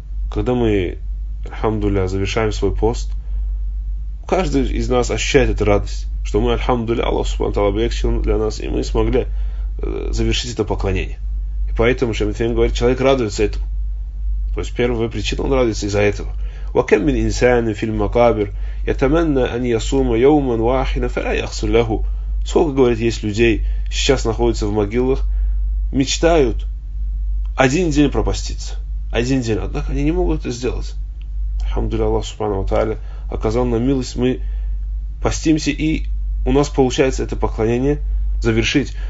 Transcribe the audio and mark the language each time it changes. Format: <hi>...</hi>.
<ru>Когда мы, альхамдулля, завершаем свой пост, каждый из нас ощущает эту радость, что мы, альхамдулля, Аллах Субхану ва Тааля облегчил для нас, и мы смогли завершить это поклонение. И поэтому Шейх Мусаим говорит, человек радуется этому. То есть первая причина, он радуется из-за этого.</ru> <ar>وكم من إنسان في المقابر يتمنى أن يصوم يوما واحدا فلا يغفر له.</ar> <ru>Сколько, говорит, есть людей сейчас находятся в могилах, мечтают один день пропаститься. Один день. Однако они не могут это сделать. Альхамдулилля, Аллах Субхана ва Тааля оказал нам милость. Мы постимся, и у нас получается это поклонение завершить.</ru>